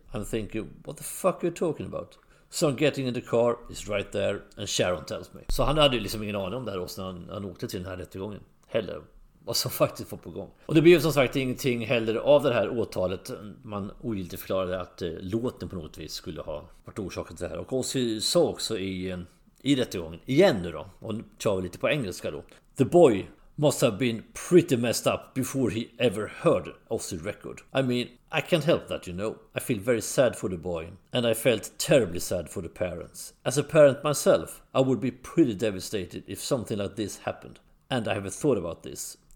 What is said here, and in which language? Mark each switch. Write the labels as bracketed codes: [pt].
[en] I'm thinking, what the fuck are you talking about? So I'm getting in the car, it's right there, and Sharon tells me. [sv] Så han hade ju liksom ingen aning om det här också när han åkte till den här rättegången heller, vad som faktiskt var på gång. Och det blev som sagt ingenting heller av det här åtalet. Man ogiltigt förklarade att låten på något vis skulle ha varit orsaken till det här. Och Ozzy sa också i rättegången, igen nu då, och nu tar vi lite på engelska då: [en] the boy must have been pretty messed up before he ever heard Ozzy's record. I mean, I can't help that, you know. I feel very sad for the boy, and I felt terribly sad for the parents. As a parent myself, I would be pretty devastated if something like this happened. And I have a thought about this.